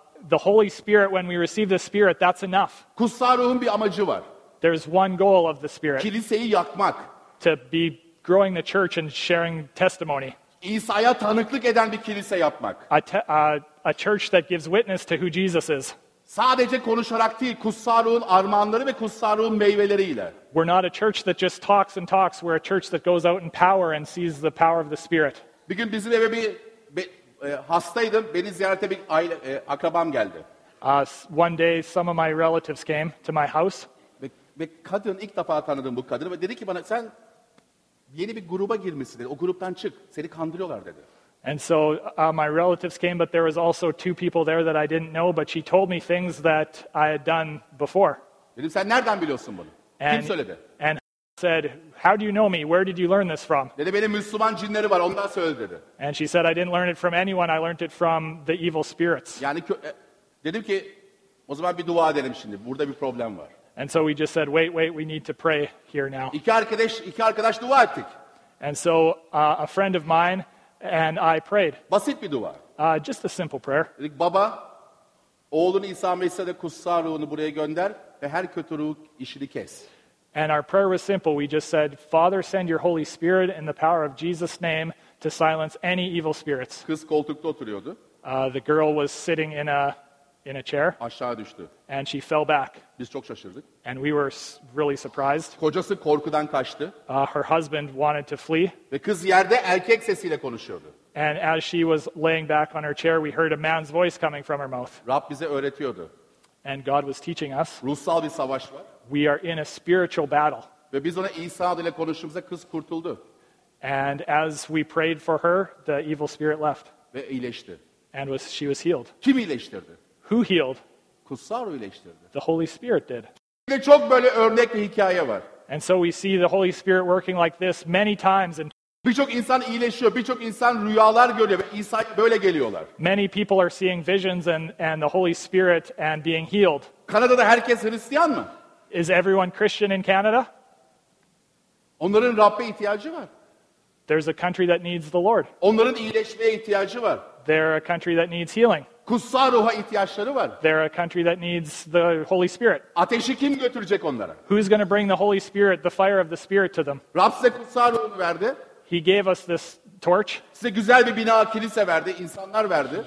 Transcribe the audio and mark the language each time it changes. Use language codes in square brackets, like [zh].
[en] The Holy Spirit, when we receive the Spirit, that's enough. [tr] Kutsal Ruh'un bir amacı var. [en] There's one goal of the Spirit. [tr] Kiliseyi yakmak. [en] To be growing the church and sharing testimony. [tr] İsa'ya tanıklık eden bir kilise yapmak. [en] A church that gives witness to who Jesus is. [tr] Sadece konuşarak değil, Kutsal Ruh'un armağanları ve Kutsal Ruh'un meyveleriyle. [en] We're not a church that just talks and talks. We're a church that goes out in power and sees the power of the Spirit. [tr] Bir gün bizim eve hastaydım. Beni ziyarete bir aile akrabam geldi. [en] One day some of my relatives came to my house. [tr] Ve kadın ilk defa tanıdım bu kadını ve dedi ki bana sen yeni bir gruba girmişsin dedi. O gruptan çık. Seni kandırıyorlar dedi. [en] And so my relatives came but there was also two people there that I didn't know but she told me things that I had done before. [tr] Dedim sen nereden biliyorsun bunu? [en] And, [tr] kim söyledi? [en] And said, how do you know me? Where did you learn this from? [tr] Dedi, benim Müslüman cinleri var, ondan söyledi dedi. [en] And she said, I didn't learn it from anyone, I learned it from the evil spirits. [tr] Yani, dedim ki, o zaman bir dua edelim şimdi, burada bir problem var. [en] And so we just said, wait, we need to pray here now. [tr] İki arkadaş dua ettik. [en] And so a friend of mine and I prayed. [tr] Basit bir dua. [en] Just a simple prayer. [tr] Dedik, baba, oğlun İsa Mesih'e Kutsal Ruh'unu buraya gönder ve her kötü ruh işini kes. [en] And our prayer was simple. We just said, Father, send your Holy Spirit in the power of Jesus' name to silence any evil spirits. [tr] Kız koltukta oturuyordu. [en] The girl was sitting in a chair. [tr] Aşağı düştü. [en] And she fell back. [tr] Biz çok şaşırdık. [en] And we were really surprised. [tr] Kocası korkudan kaçtı. [en] Her husband wanted to flee. [tr] Ve kız yerde erkek sesiyle konuşuyordu. [en] And as she was laying back on her chair, we heard a man's voice coming from her mouth. [tr] Rab bize öğretiyordu. [en] And God was teaching us. [tr] Ruhsal bir savaş var. [en] We are in a spiritual battle. [tr] Ve biz ona İsa adıyla konuştuğumuzda kız kurtuldu. [en] And as we prayed for her, the evil spirit left. [tr] Ve iyileşti. [en] And she was healed. [tr] Kim iyileştirdi? [en] Who healed? [tr] Kutsal Ruh iyileştirdi. [en] The Holy Spirit did. [tr] Ve çok böyle örnek bir hikaye var. [en] And so we see the Holy Spirit working like this many times in [tr] Birçok insan iyileşiyor, birçok insan rüyalar görüyor ve İsa'ya böyle geliyorlar. [en] Many people are seeing visions and the Holy Spirit and being healed. [tr] Kanada'da herkes Hristiyan mı? [en] Is everyone Christian in Canada? [tr] Onların Rabb'e ihtiyacı var. [en] There's a country that needs the Lord. [tr] Onların iyileşmeye ihtiyacı var. [en] They're a country that needs healing. [tr] Kutsal Ruh'a ihtiyaçları var. [en] They're a country that needs the Holy Spirit. [tr] Ateşi kim götürecek onlara? [en] Who's going to bring the Holy Spirit, the fire of the Spirit to them? [tr] Rab size Kutsal Ruh'u verdi. [en] He gave us this torch. [tr] Size güzel bir bina, kilise verdi, insanlar verdi.